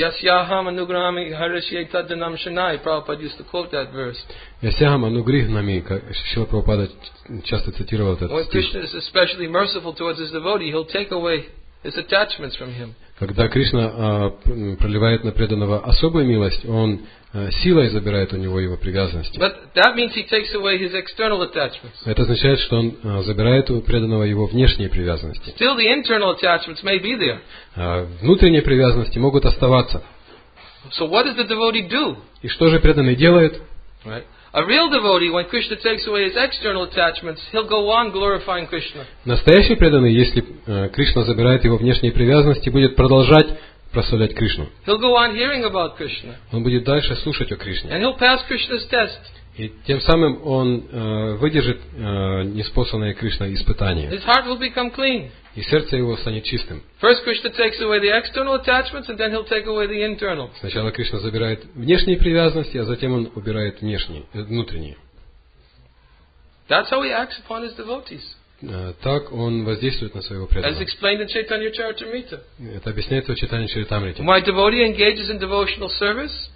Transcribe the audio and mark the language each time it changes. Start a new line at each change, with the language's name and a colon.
Sanskrit: Yasyaham anugrahami harishye tadanam shanai.
English: Prabhupada used to quote that verse.
Sanskrit: Yasyaham anugrihnami.
Russian: Шрила Прабхупада часто цитировал этот стих.
English: When Krishna is especially merciful towards his devotee, he'll take away his attachments from him.
Russian: Когда Кришна проливает на преданного особую милость, он силой забирает у него его привязанности.
English: But that means he takes away his external attachments.
Russian: Это означает, что он забирает у преданного его внешние привязанности.
English: Still the internal attachments may be there.
Russian: Внутренние привязанности могут оставаться.
English: So what does the devotee do?
Russian: И что же преданный делает?
English: Right. A real devotee, when Krishna takes away his external attachments, he'll go on glorifying Krishna.
Russian: Настоящий преданный, если Кришна забирает его внешние привязанности, будет продолжать прославлять Кришну.
English: He'll go on hearing about Krishna.
Russian: Он будет дальше слушать о Кришне.
English: And he'll pass Krishna's test.
Russian: И тем самым он выдержит неспосланное Кришной испытание.
English: His heart will become clean.
Russian: И сердце его станет чистым.
English: First Krishna takes away the external attachments, and then he'll take away the internal.
Russian: Сначала Кришна забирает внешние привязанности, а затем он убирает внешние, внутренние.
English: That's how he acts upon his devotees.
Russian: Так он воздействует на своего преданного.
English: As explained in Chaitanya Charitamrita.
Russian: Это объясняется в Чайтанья Чаритамрите.
English: My devotee engages in devotional service.